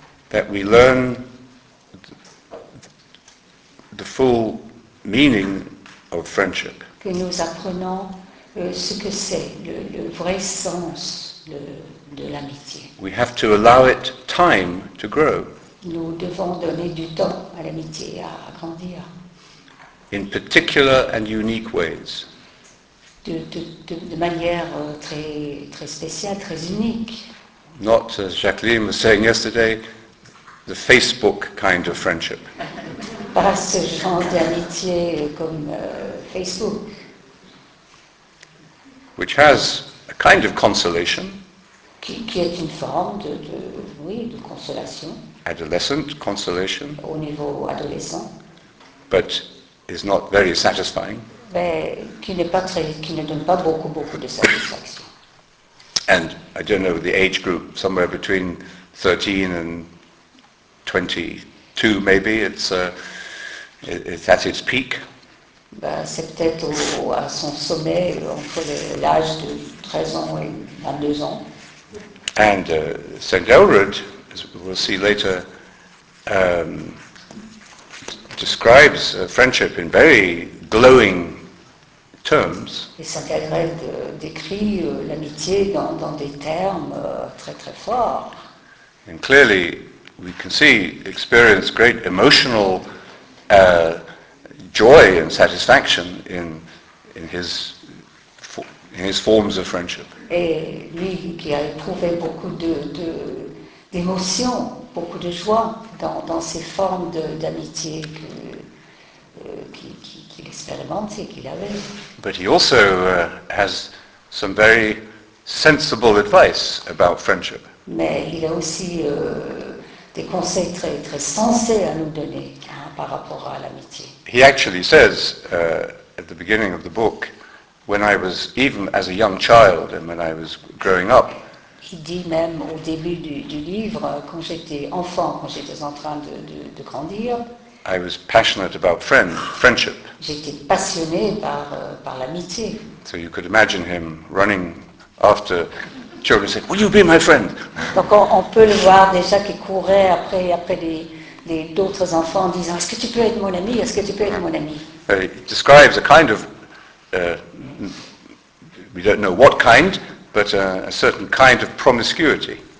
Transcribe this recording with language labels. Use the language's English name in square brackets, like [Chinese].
[English] that we learn the full meaning of friendship. [French] Que nous apprenons ce que c'est le vrai sens de l'amitié. [English] We have to allow it time to grow. [French] Nous devons donner du temps à l'amitié à grandir. [English] In particular and unique ways. [French] De manière très très spéciale, très unique. [English] Not as Jacqueline was saying yesterday, the Facebook kind of friendship. [French] Pas ce genre d'amitié comme Facebook. [English] Which has a kind of consolation. [French] Qui est une forme de consolation. [English] Adolescent consolation. [French] Au niveau adolescent. [English] But is not very satisfying. [French] Mais qui ne donne pas beaucoup de satisfaction. [English] And I don't know the age group, somewhere between 13 and 22 maybe, it's at its peak. [French] Bah, c'est peut-être à son sommet entre l'âge de 13 ans et 22 ans. [English] And Saint Elrod, as we'll see later, describes friendship in very glowing terms. [French] Et Saint Elrod décrit l'amitié dans des termes très très forts. [English] And clearly, we can see experience great emotional joy and satisfaction in his forms of friendship. [French] Et lui qui a éprouvé beaucoup d'émotions, beaucoup de joie dans ces formes d'amitié qu'il expérimente et qu'il avait. [English] But he also has some very sensible advice about friendship. [French] Mais il a aussi des conseils très très sensés à nous donner hein, par rapport à l'amitié. [English] He actually says at the beginning of the book, when I was even as a young child and when I was growing up. [French] Il dit même au début du livre quand j'étais enfant, quand j'étais en train de grandir. [English] I was passionate about friendship. [French] J'étais passionné par l'amitié. [English] So you could imagine him running after children, saying, "Will you be my friend?" [French] Donc on peut le voir déjà qui courait après les d'autres enfants, en disant, "Est-ce que tu peux être mon ami? Est-ce que tu peux être mon ami?" [English] He describes a kind of we don't know what kind, but a certain kind of promiscuity.